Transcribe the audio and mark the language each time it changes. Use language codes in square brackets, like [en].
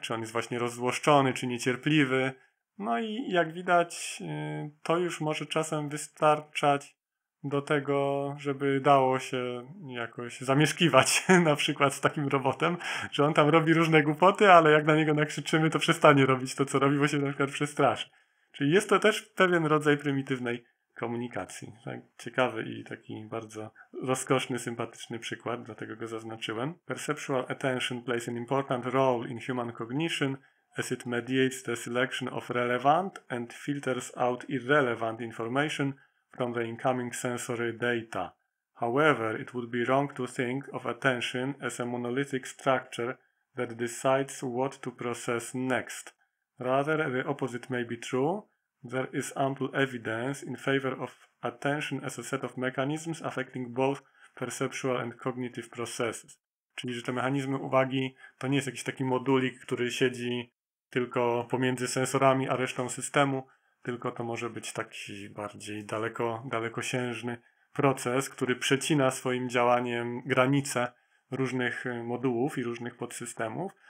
[pl] Czy on jest właśnie rozzłoszczony, czy niecierpliwy. No i jak widać, to już może czasem wystarczać do tego, żeby dało się jakoś zamieszkiwać na przykład z takim robotem, że on tam robi różne głupoty, ale jak na niego nakrzyczymy, to przestanie robić to, co robi, bo się na przykład przestraszy. Czyli jest to też pewien rodzaj prymitywnej komunikacji. Tak? Ciekawy i taki bardzo rozkoszny, sympatyczny przykład, dlatego go zaznaczyłem. [en] Perceptual attention plays an important role in human cognition as it mediates the selection of relevant and filters out irrelevant information from the incoming sensory data. However, it would be wrong to think of attention as a monolithic structure that decides what to process next. Rather, the opposite may be true. There is ample evidence in favor of attention as a set of mechanisms affecting both perceptual and cognitive processes. [pl] Czyli, że te mechanizmy uwagi to nie jest jakiś taki modulik, który siedzi tylko pomiędzy sensorami a resztą systemu, tylko to może być taki bardziej dalekosiężny proces, który przecina swoim działaniem granice różnych modułów i różnych podsystemów.